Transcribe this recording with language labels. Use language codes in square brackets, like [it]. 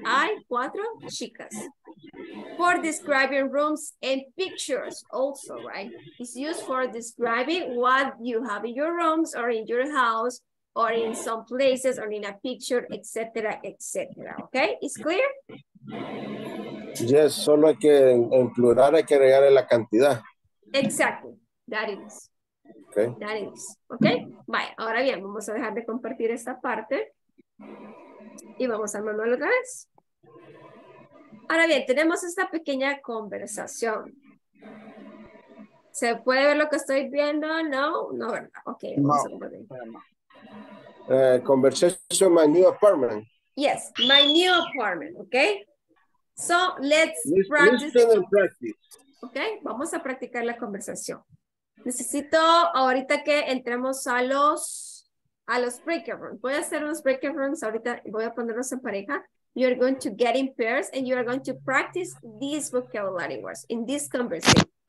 [es] Hay 4 chicas. [en] For describing rooms and pictures also, right? It's used for describing what you have in your rooms or in your house or in some places or in a picture, etc., etc., okay? It's clear? [es] Yes, solo hay que en plural hay que agregarle la cantidad. [en] Exactly, that is. Okay. That is. Okay. [es] Vaya, ahora bien, vamos a dejar de compartir esta parte y vamos al manual otra vez. Ahora bien, tenemos esta pequeña conversación. ¿Se puede ver lo que estoy viendo? No, no, ¿verdad? Ok, vamos a compartir. [en] Conversation, my new apartment. Yes, my new apartment. Okay. So let's practice. [es] Okay, vamos a practicar la conversación. Necesito ahorita que entremos a los breakout rooms. Voy a hacer unos breakout rooms ahorita. Voy a ponerlos en pareja. [en] You are going to get in pairs and you are going to practice these vocabulary words in this conversation.